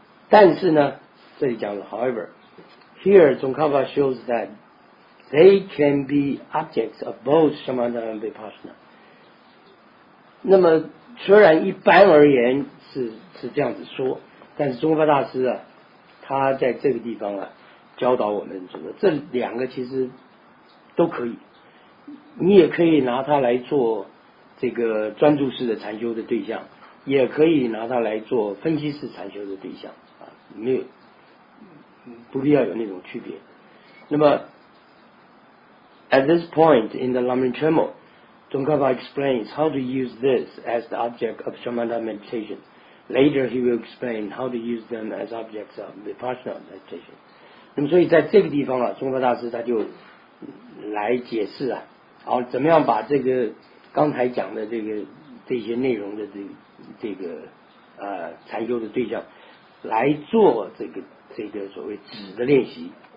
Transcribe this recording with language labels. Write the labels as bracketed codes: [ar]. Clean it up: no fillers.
[en] 但是呢，这里讲了，however， here Tsongkhapa shows that they can be objects of both shamatha and vipassana。 [zh] 那么虽然一般而言是这样子说，但是宗喀巴大师啊，他在这个地方啊教导我们什么？这两个其实都可以，你也可以拿它来做这个专注式的禅修的对象，也可以拿它来做分析式禅修的对象啊，没有不必要有那种区别。 [en] 那么 at this point in the Lamrim Tremo，Tsongkhapa explains how to use this as the object of shamatha meditation. Later, he will explain how to use them as objects of vipassana meditation. [zh] 那么，所以在这个地方啊，宗喀巴大师他就来解释啊，好，怎么样把这个刚才讲的这些内容的这个禅修的对象来做这个所谓止的练习。